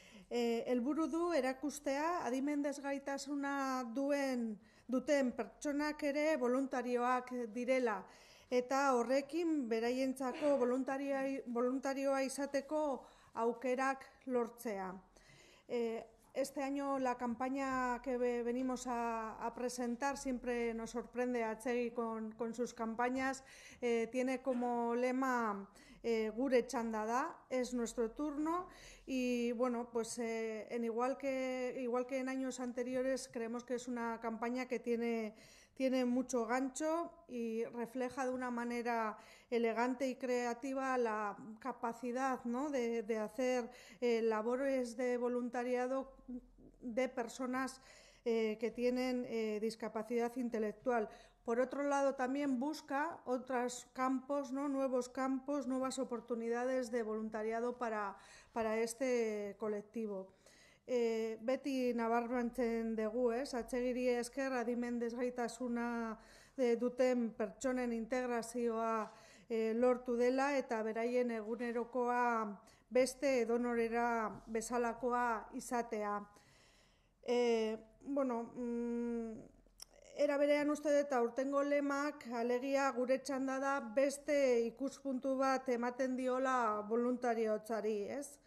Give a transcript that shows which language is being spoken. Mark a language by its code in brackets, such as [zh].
[eu] Helburu du erakustea adimen desgaitasuna duten pertsonak ere voluntarioak direla eta horrekin beraientzako voluntarioa izateko aukerak lortzea. [es] Este año la campaña que venimos a presentar siempre nos sorprende a Txegi con sus campañas. Tiene como lema [eu] Gure txanda da, [es] es nuestro turno. Y bueno, pues igual que en años anteriores, creemos que es una campaña que tiene mucho gancho y refleja de una manera elegante y creativa la capacidad, ¿no?, de hacer labores de voluntariado de personas que tienen discapacidad intelectual. Por otro lado, también busca otros campos, ¿no?, nuevos campos, nuevas oportunidades de voluntariado para este colectivo. [eu] Beti nabarmentzen dugu, ez? Atsegiri esker adimen desgaitasuna duten pertsonen integrazioa lortu dela eta beraien egunerokoa beste edonorera bezalakoa izatea. Era berean uste eta urtengo lemak alegia gure txanda da beste ikuspuntu bat ematen diola voluntariotzari, ez?